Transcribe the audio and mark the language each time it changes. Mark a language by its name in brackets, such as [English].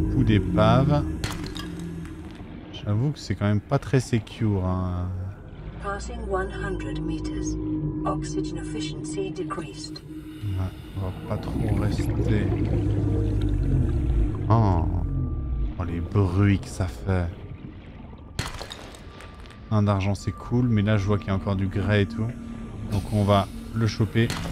[French] D'épave. J'avoue que c'est quand même pas très secure. [English] Hein. Passing 100 meters. Oxygen efficiency decreased. [French] Ouais, on va pas trop rester. Oh. Oh les bruits que ça fait. Un d'argent c'est cool, mais là je vois qu'il y a encore du grès et tout. Donc on va le choper.